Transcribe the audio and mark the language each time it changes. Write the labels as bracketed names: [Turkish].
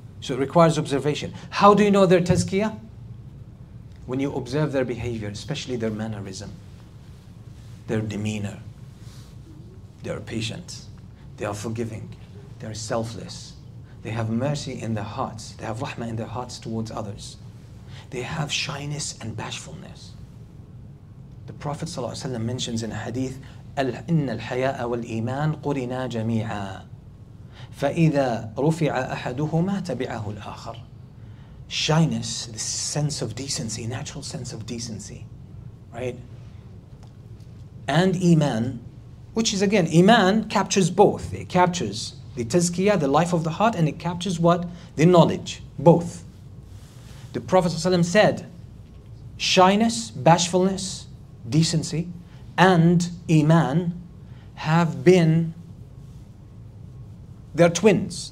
[English] So it requires observation. How do you know their tazkiyah? When you observe their behavior, especially their mannerism, their demeanor, they are patient, they are forgiving, they are selfless, they have mercy in their hearts, they have rahmah in their hearts towards others, they have shyness and bashfulness. [Arabic] The Prophet ﷺ mentions in a hadith, إِنَّ الْحَيَاءَ وَالْإِيمَانَ قُرِنَا جَمِيعًا فَإِذَا رُفِعَ أَحَدُهُمَا تَبِعَهُ الْآخَرُ. [English] Shyness, the sense of decency, natural sense of decency, right? And Iman, which is again, Iman captures both. It captures the tazkiyah, the life of the heart, and it captures what? The knowledge, both. The Prophet ﷺ said, shyness, bashfulness, decency, and Iman have been, they're twins.